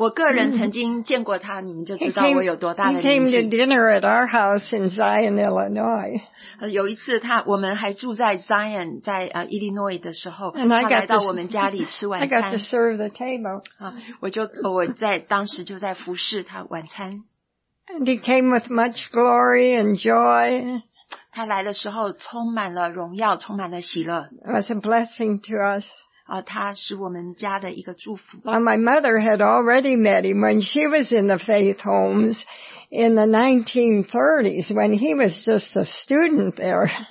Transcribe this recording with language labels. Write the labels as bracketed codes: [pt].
[zh] 就是吴老牧师，我个人曾经见过他，你们就知道我有多大的年纪。 [en] He came to dinner at our house in Zion, Illinois. [zh] 有一次他，我们还住在 Zion， 在 Illinois 的时候， [en] and [zh] 他来到我们家里吃晚餐。 [en] I got to serve the table. [zh] 我在当时就在服侍他晚餐。 [en] And he came with much glory and joy. [zh] 他来的时候充满了荣耀，充满了喜乐。 [en] It was a blessing to us. [zh] 他是我们家的一个祝福。 [en] Well, my mother had already met him when she was in the faith homes in the 1930s when he was just a student there.